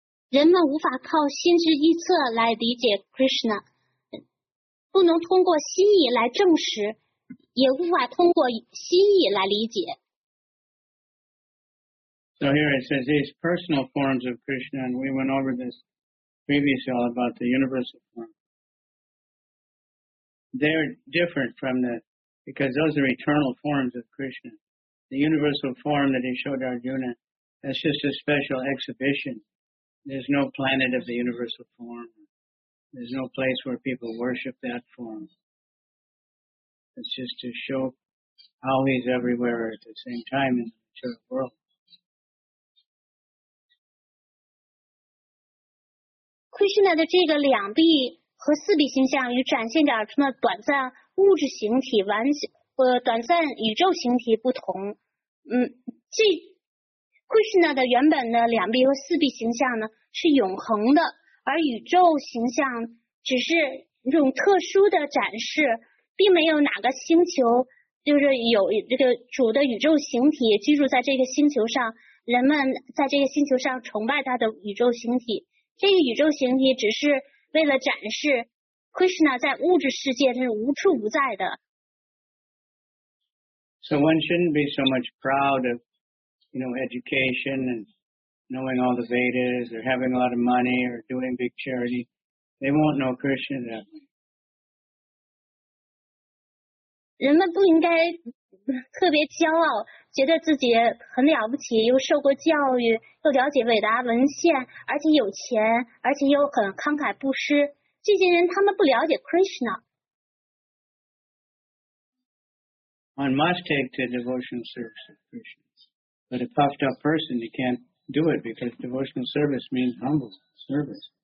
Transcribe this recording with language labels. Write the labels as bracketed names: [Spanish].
[Chinese] 人们无法靠心智臆测来理解 Krishna, 不能通过心意来证实，也无法通过心意来理解。 [English] So here it says these personal forms of Krishna, and we went over this previously all about the universal form. They're different from the, because those are eternal forms of Krishna. The universal form that he showed Arjuna, that's just a special exhibition. There's no planet of the universal form. There's no place where people worship that form. It's just to show how he's everywhere at the same time in the material world. [Chinese] Krishna 的这个两臂和四臂形象与展现着什么短暂物质形体完短暂宇宙形体不同。这 Krishna 的原本的两臂和四臂形象呢是永恒的，而宇宙形象只是一种特殊的展示，并没有哪个星球就是有这个主的宇宙形体居住在这个星球上，人们在这个星球上崇拜他的宇宙形体。这个宇宙形体只是为了展示 Krishna 在物质世界是无处不在的。 [English] So one shouldn't be so much proud of, you know, education and knowing all the Vedas or having a lot of money or doing big charity. They won't know Krishna that way. [Chinese] 人们不应该特别骄傲，觉得自己很了不起，又受过教育，又了解伟大文献，而且有钱，而且又很慷慨布施。这些人他们不了解 Krishna。 [English] One must take the devotional service of Krishna, but a puffed up person, you can't do it because devotional service means humble service.